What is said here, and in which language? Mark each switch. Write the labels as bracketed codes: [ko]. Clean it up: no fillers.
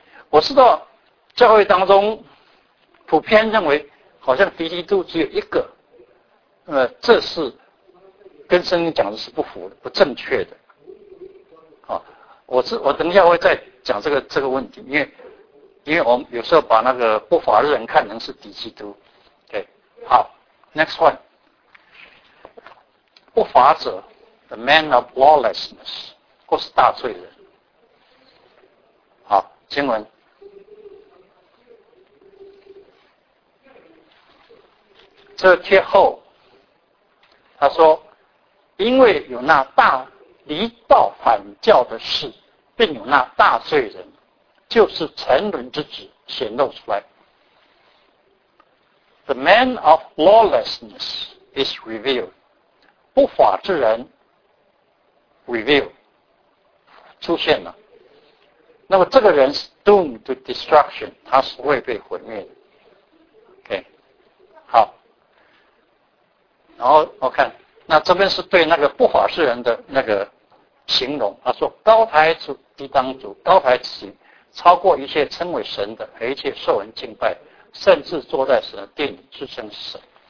[zh] 我知道教会当中普遍认为好像敌基督只有一个，这是跟圣经讲的是不符的，不正确的。我等一下会再讲这个问题，因为我们有时候把那个不法的人看成是敌基督。对，好 ，next one， 不法者 ， [en] the man of lawlessness， [zh] 或是大罪人。好，经文，这帖后，他说，因为有那大离道反教的事。并有那大罪人就是沉沦之子显露出来。 [en] The man of lawlessness is revealed， [zh] 不法之人 [en] revealed [zh] 出现了。那么这个人是 [en] doomed to destruction， [zh] 他是会被毁灭的。 OK， 好，然后我看那这边是对那个不法之人的那个形容，他说高台主地当主，高台自己超过一切称为神的和一切受人敬拜甚至坐在神的殿里自称是神。